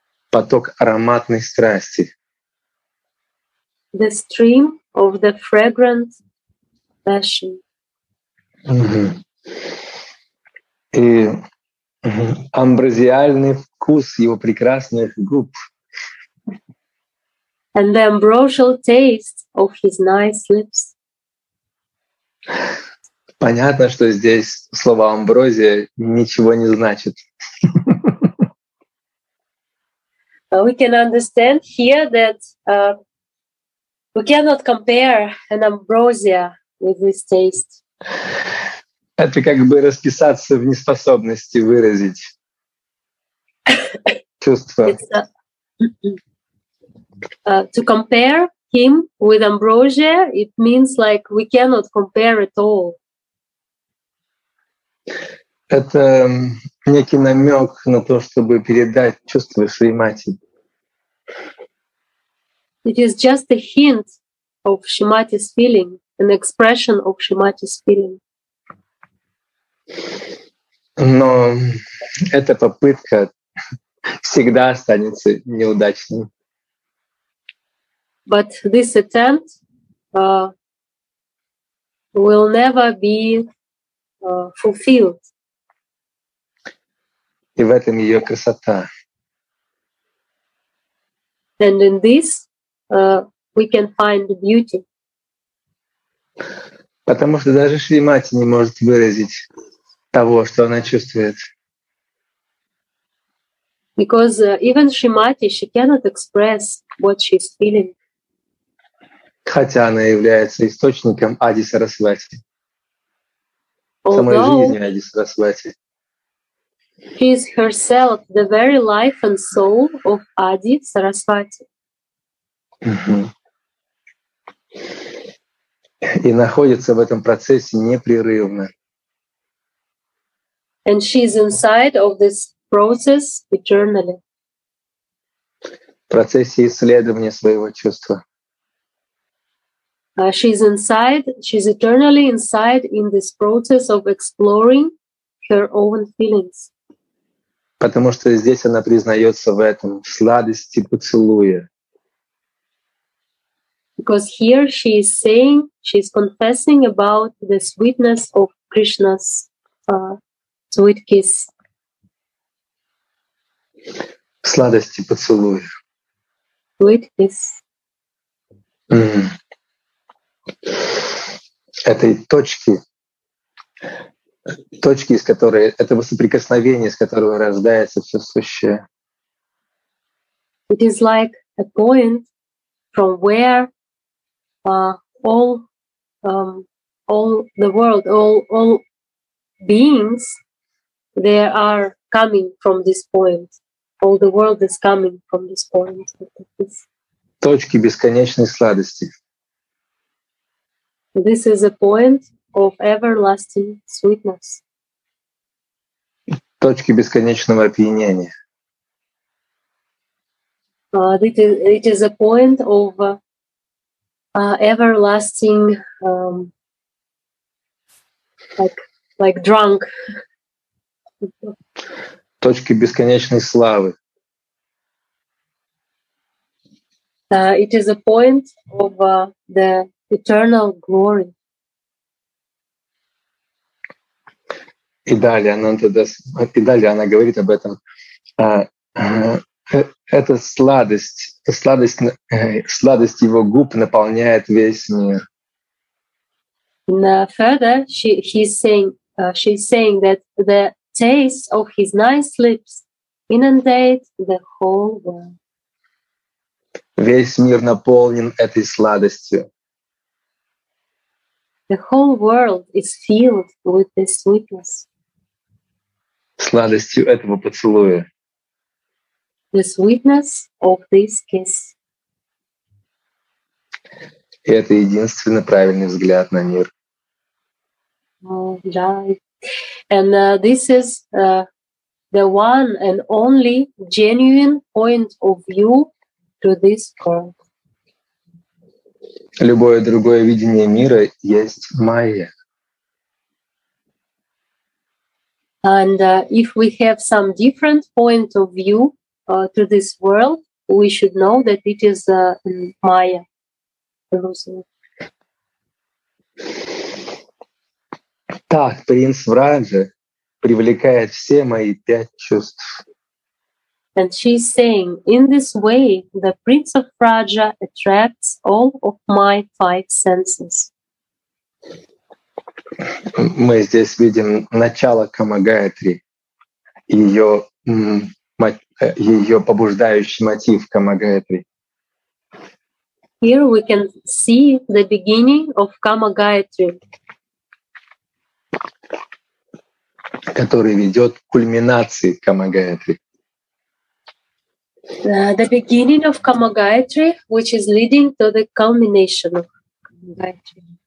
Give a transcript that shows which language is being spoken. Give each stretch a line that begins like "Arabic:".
Russian: Поток ароматной страсти.
English: The stream of the fragrant passion.
Russian: И амбразиальный вкус его прекрасных губ.
English: And the ambrosial taste of his nice lips.
Russian: Понятно, что здесь слово амброзия ничего не значит.
English: We can understand here that we cannot compare an ambrosia with this taste.
Russian: Это как бы расписаться в неспособности выразить чувства.
English: To compare him with ambrosia, it means like we cannot compare at all.
Russian: Это некий намек на то, чтобы передать чувства своей матери.
English: It is just a hint of Shimati's feeling, an expression of Shimati's feeling.
Russian: Но эта попытка всегда останется неудачной.
English: But this attempt will never be fulfilled.
Russian: И в этом ее красота.
English: And in this we can find the beauty.
Russian: Потому что даже Шримати не может выразить того, что она чувствует.
English: Because even Shrimati, she cannot express what she's feeling.
Russian: Хотя она является источником Ади Сарасвати, самой жизни Ади Сарасвати.
English: She is herself the very life and soul of Ади Сарасвати.
Russian: И находится в этом процессе непрерывно.
English: And she is inside of this process eternally.
Russian: В процессе исследования своего чувства.
English: She's inside, she's eternally inside in this process of exploring her own feelings.
Russian: Потому что здесь она признается в этом, в сладости поцелуя.
English: Because here she is saying, she's confessing about the sweetness of Krishna's sweet kiss.
Russian: Сладости поцелуя.
English: Sweet kiss.
Russian: Этой точки, точки, из которой, этого соприкосновения, из которого рождается все сущее.
English: It is like a point from where all the world, all beings, they are coming from this point. All the world is coming from this point.
Russian: Точки бесконечной сладости.
English: This is a point of everlasting sweetness.
Russian: Точки бесконечного опьянения.
English: It is a point of everlasting like drunk.
Russian: Точки бесконечной славы.
English: It is a point of the eternal glory.
Russian: И далее она говорит об этом. Это сладость его губ наполняет весь мир.
English: Further, she's saying that the taste of his nice lips inundate the whole world.
Russian: Весь мир наполнен этой сладостью.
English: The whole world is filled with this sweetness.
Russian: Сладостью этого поцелуя.
English: the sweetness of this kiss.
Russian: Это единственный правильный взгляд на мир.
English: Oh, yeah. And this is the one and only genuine point of view to this world.
Russian: Любое другое видение мира есть майя.
English: And if we have some different point of view to this world, we should know that it is майя.
Russian: Так, принц Враджа привлекает все мои пять чувств.
English: And she's saying, in this way, the Prince of Raja attracts all of my five senses.
Russian: Мы здесь видим начало Камагаятри, ее побуждающий мотив Камагаятри.
English: Here we can see the beginning of Kama Gayatri,
Russian: который ведет к кульминации Kama Gayatri.
English: The beginning of Kama Gayatri, which is leading to the culmination of Kama Gayatri.